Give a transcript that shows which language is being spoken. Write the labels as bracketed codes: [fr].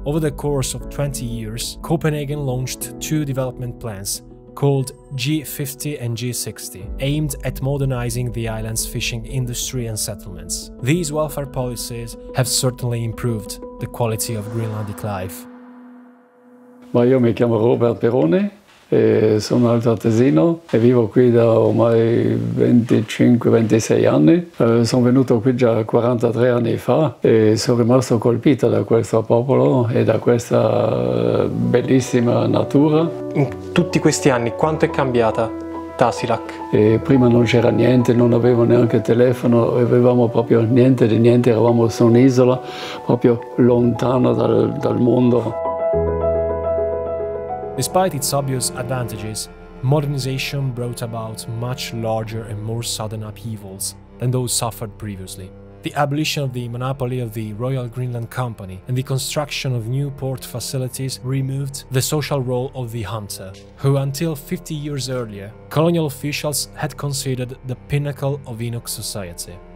[en] Over the course of 20 years, Copenhagen launched 2 development plans called G50 and G60, aimed at modernizing the island's fishing industry and settlements. These welfare policies have certainly improved the quality of Greenlandic life. My name is Robert Peroni. [it] Sono un artesino e vivo qui da ormai 25-26 anni. Sono venuto qui già 43 anni fa e sono rimasto colpito da questo popolo e da questa bellissima natura. In tutti questi anni quanto è cambiata Tasiilaq? Prima non c'era niente, non avevo neanche telefono, avevamo proprio niente di niente, eravamo su un'isola proprio lontano dal mondo. [en] Despite its obvious advantages, modernization brought about much larger and more sudden upheavals than those suffered previously. The abolition of the monopoly of the Royal Greenland Company and the construction of new port facilities removed the social role of the hunter, who until 50 years earlier, colonial officials had considered the pinnacle of Inuk society.